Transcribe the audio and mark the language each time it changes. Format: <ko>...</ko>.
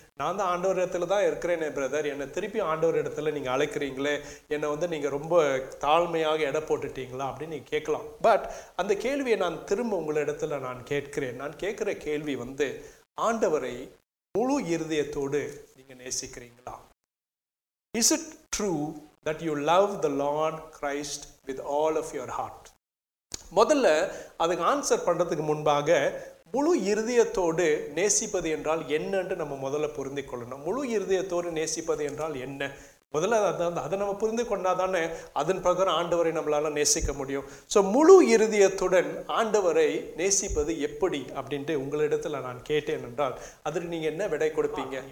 <ta>நான் தான் ஆண்டவரிடத்துல தான் இருக்கிறேனே பிரதர், என்னை திருப்பி ஆண்டவரிடத்துல நீங்கள் அழைக்கிறீங்களே, என்னை வந்து நீங்கள் ரொம்ப தாழ்மையாக இட போட்டுட்டீங்களா அப்படின்னு நீங்கள் கேட்கலாம். பட் அந்த கேள்வியை நான் திரும்ப உங்களிடத்துல நான் கேட்கிறேன். நான் கேட்குற கேள்வி வந்து, ஆண்டவரை முழு இருதயத்தோடு நீங்கள் நேசிக்கிறீங்களா?</ta> <en>Is it true that you love the Lord Christ with all of your heart?</en> <ta>முதல்ல அதுக்கு ஆன்சர் பண்ணுறதுக்கு முன்பாக, முழு இருதயத்தோடு நேசிப்பது என்றால் என்னன்னு நம்ம முதல்ல புரிந்து கொள்ளணும். முழு இருதயத்தோடு நேசிப்பது என்றால் என்ன முதல்ல அதை நம்ம புரிந்து கொண்டாதானே அதன் பிரகாரம் ஆண்டவரை நம்மளால நேசிக்க முடியும். ஸோ முழு இருதயத்துடன் ஆண்டவரை நேசிப்பது எப்படி அப்படின்ட்டு உங்களிடத்துல நான் கேட்டேன் என்றால், அதற்கு நீங்க என்ன விடை கொடுப்பீங்க?</ta>